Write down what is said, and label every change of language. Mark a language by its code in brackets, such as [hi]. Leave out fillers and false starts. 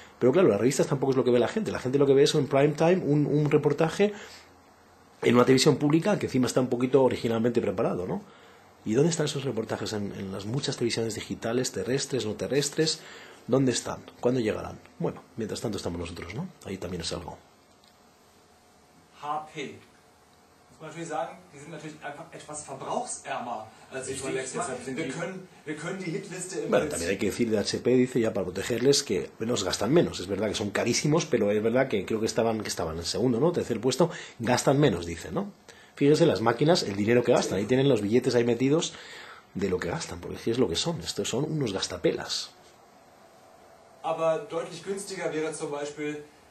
[es] Pero claro, las revistas tampoco es lo que ve la gente. La gente lo que ve es en prime time un reportaje en una televisión pública que encima está un poquito originalmente preparado, ¿no? ¿Y dónde están esos reportajes en las muchas televisiones digitales, terrestres, no terrestres? ¿Dónde están? ¿Cuándo llegarán? Bueno, mientras tanto estamos nosotros, ¿no? Ahí también es algo. HP. [de] Natürlich sagen, die sind natürlich einfach etwas verbrauchsärmer als die von Lexmark. Wir können die Hitliste im [es] Bueno, también hay que decir de HP, dice ya, para protegerles, que menos gastan menos. Es verdad que son carísimos, pero es verdad que creo que estaban en segundo, ¿no? Tercer puesto, gastan menos, dice, ¿no? Fíjense las máquinas, el dinero que gastan. Ahí tienen los billetes ahí metidos de lo que gastan, porque es lo que son. Estos son unos gastapelas. [de] Aber deutlich günstiger wäre zum Beispiel...